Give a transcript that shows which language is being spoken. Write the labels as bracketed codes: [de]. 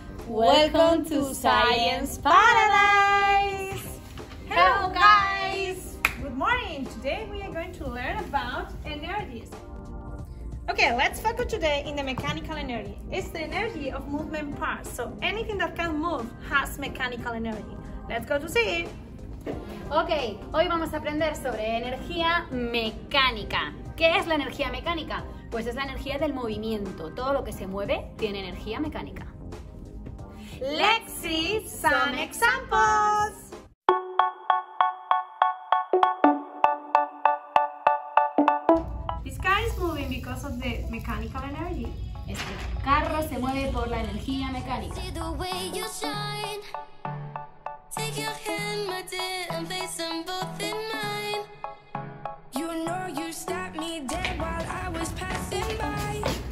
[en] Welcome to Science Paradise! Hello guys! Good morning! Today we are going to learn about energies. Okay, let's focus today in the mechanical energy. It's the energy of movement parts. So anything that can move has mechanical energy. Let's go to see it! [es] Okay, hoy vamos a aprender sobre energía mecánica. ¿Qué es la energía mecánica? Pues es la energía del movimiento. Todo lo que se mueve tiene energía mecánica. [en] Let's see some examples. This car is moving because of the mechanical energy. [es] Este carro se mueve por la energía mecánica. [en] See the way you shine. Take your hand, my dear, and place them both in mine. You know you stopped me dead while I was passing by.